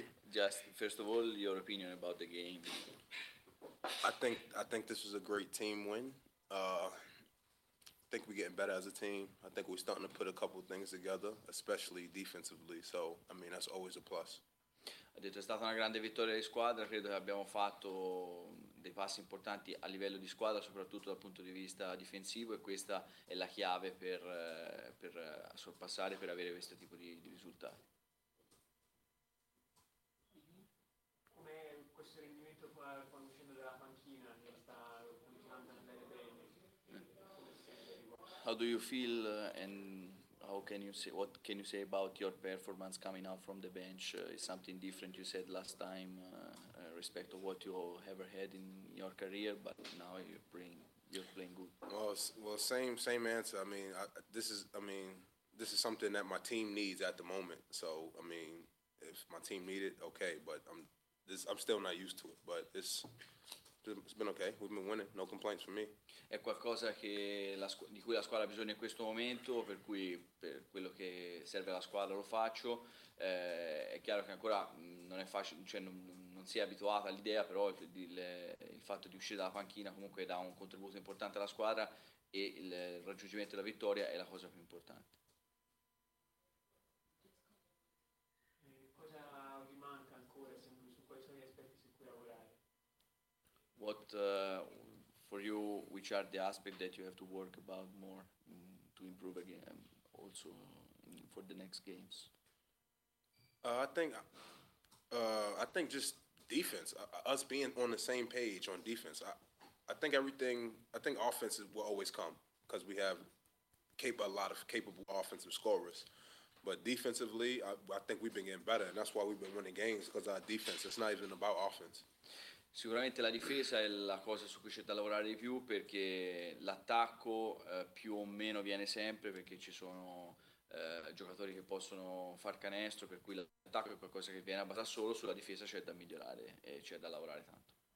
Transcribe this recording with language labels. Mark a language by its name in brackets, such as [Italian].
[English] Just first of all, your opinion about the game. I think this was a great team win. I think we're getting better as a team. I think we're starting to put a couple of things together, especially defensively. So, I mean, that's always a plus. [Italian] Ha detto è stata una grande vittoria di squadra. Credo che abbiamo fatto dei passi importanti a livello di squadra, soprattutto dal punto di vista difensivo, e questa è la chiave per sorpassare, per avere questo tipo di risultati. Come questo rendimento qua quando scende dalla panchina, che sta funzionando bene. [English] How do you feel and what can you say about your performance coming out from the bench? Is something different you said last time respect to what you ever had in your career, but now you're playing good. Well, same answer. I mean, this is something that my team needs at the moment. So, I mean, if my team need it, okay. But I'm still not used to it. But it's been okay. We've been winning. No complaints from me. [Italian] È qualcosa che di cui la squadra ha bisogno in questo momento, per cui per quello che serve alla squadra lo faccio. È chiaro che ancora non è facile, cioè non si è abituata all'idea, però il fatto di uscire dalla panchina comunque dà un contributo importante alla squadra, e il raggiungimento della vittoria è la cosa più importante. Cosa vi manca ancora, su quali sono gli aspetti su cui lavorare? [English] What for you, which are the aspects that you have to work about more to improve again also for the next games? I think just defense, us being on the same page on defense. I think offense will always come because we have a lot of capable offensive scorers. But defensively, I think we've been getting better, and that's why we've been winning games, because our defense, it's not even about offense. [Italian] Sicuramente la difesa è la cosa su cui c'è da lavorare di più, perché l'attacco più o meno viene sempre, perché ci sono giocatori che possono far canestro, per cui l'attacco è qualcosa che viene a base solo, sulla difesa c'è da migliorare e c'è da lavorare tanto.